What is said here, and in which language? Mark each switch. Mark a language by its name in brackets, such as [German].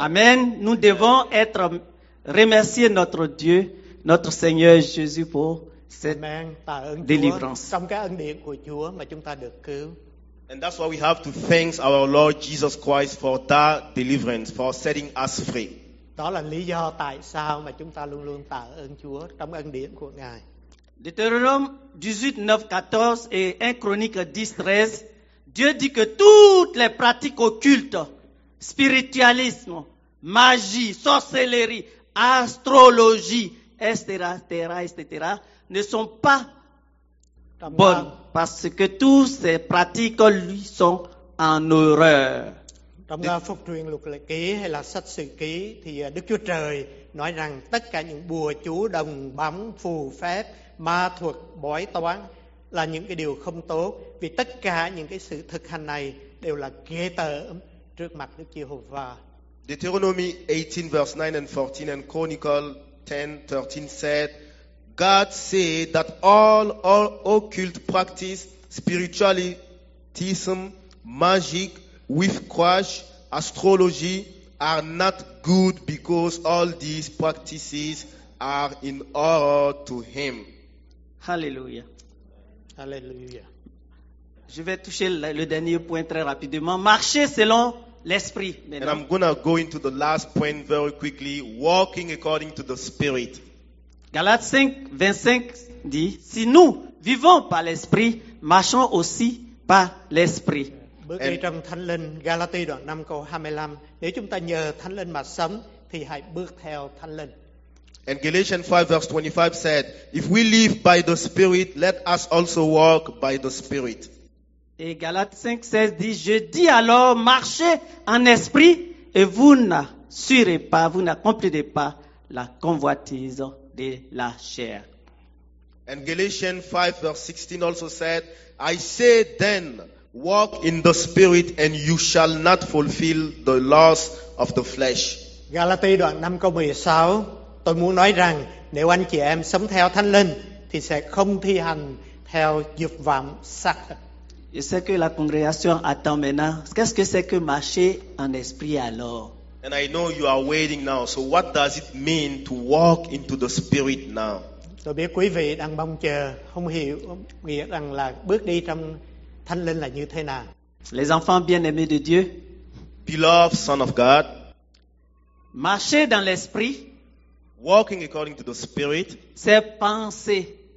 [French] Amen. Nous devons être remercier notre Dieu, notre Seigneur Jésus pour cette Amen. Délivrance. [Vietnamese] Chúa, trong cái ân điển của Chúa mà chúng ta được cứu. [English] And that's why we have to thank our Lord Jesus Christ for that deliverance, for setting us free. [Vietnamese] Đó là lý do tại sao mà chúng ta luôn luôn tạ ơn Chúa trong ân điển của Ngài. [French] Deutéronome 18, 9, 14 et 1 Chronique 10, 13, Dieu dit que toutes les pratiques occultes, spiritualisme, magie, sorcellerie, astrologie, etc., ne sont pas bonnes parce que toutes ces pratiques lui sont en horreur. [Vietnamese] Trong phục truyền luật lệ ký hay là sách sự ký thì Đức Chúa Trời nói rằng tất cả những bùa chú, đồng bóng, phù phép, ma thuật, bói toán là những cái điều không tốt, vì tất cả những cái sự thực hành này đều là ghê tởm trước mặt Đức Giê-hô-va. [English] Deuteronomy 18 verse 9 and 14 and Chronicles 10, 13 said, God said that all occult practice, spiritualism, magic, witchcraft, astrology are not good because all these practices are in horror to him. Hallelujah. Hallelujah. [French] Je vais toucher le dernier point très rapidement. Marcher selon l'esprit. [English] And I'm going to go into the last point very quickly. Walking according to the spirit. [French] Galates 5, 25 dit, si nous vivons par l'esprit, marchons aussi par l'esprit. [Vietnamese] Bước đi trong Thánh Linh, Galati đoạn 5 câu 25. Nếu chúng ta nhờ Thánh Linh mà sống, thì hãy bước theo Thánh Linh. [English] And Galatians 5 verse 25 said, if we live by the Spirit, let us also walk by the Spirit. [French] Et Galates 5, 16 dit, je dis alors, marchez en esprit, et vous n'assurez pas, vous n'accomplirez pas la convoitise de la chair. [English] And Galatians 5 verse 16 also said, I say then, walk in the Spirit and you shall not fulfill the laws of the flesh. [Vietnamese] Galati đoạn 5 câu 16, tôi muốn nói rằng nếu anh chị em sống theo Thánh Linh thì sẽ không thi hành theo dục vọng sắc. [French] Je sais que la congrégation attend maintenant. Qu'est-ce que c'est que marcher en esprit alors? [English] And I know you are waiting now. So what does it mean to walk into the Spirit now? [Vietnamese] Tôi biết quý vị đang mong chờ, không hiểu nghĩa rằng là bước đi trong Thánh Linh là như thế nào. [French] Les enfants bien-aimés de Dieu. [English] Beloved son of God. [French] Marcher dans l'esprit. [English] Walking according to the Spirit. [French] C'est penser.